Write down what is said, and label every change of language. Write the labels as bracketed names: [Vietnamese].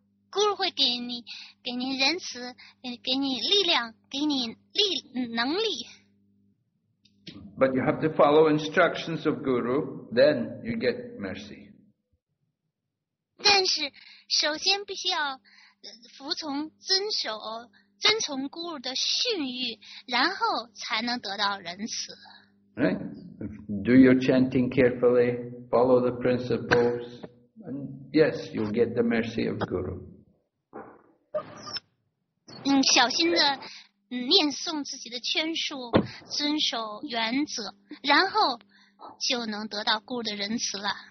[Chinese] Guru 会给你仁慈，给你力量，给你能力。 [English] But you have to follow instructions of Guru, then you get mercy. [Chinese] 但是首先必须要服从遵从 Guru 的训谕，然后才能得到仁慈。 [English] Right? Do your chanting carefully, follow the principles, and yes, you'll get the mercy of Guru. [Chinese] 小心的念诵自己的劝述，遵守原则，然后就能得到 Guru 的仁慈了。